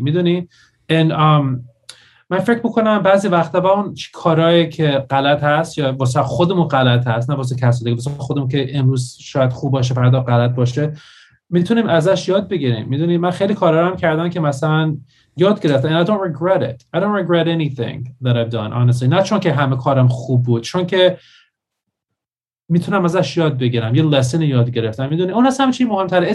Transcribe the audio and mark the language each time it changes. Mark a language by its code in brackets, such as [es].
[fa] میدونی؟ And من فکر میکنم بعضی وقتا با اون کارهایی که غلط هست یا واسه خودمون غلط هست، نه واسه کسی دیگه، واسه خودمون که امروز شاید خوب باشه فردا غلط باشه، میتونیم ازش یاد بگیریم. میدونی من خیلی کارا رو هم کردم که مثلا یاد گرفتم. [en] And I don't regret it. I don't regret anything that I've done, honestly. [fa] نه چون که همه کارم خوب بود، چون که میتونم ازش یاد بگیرم، یه لسن یاد گرفتم. میدونی اون اصلا چی مهمتره.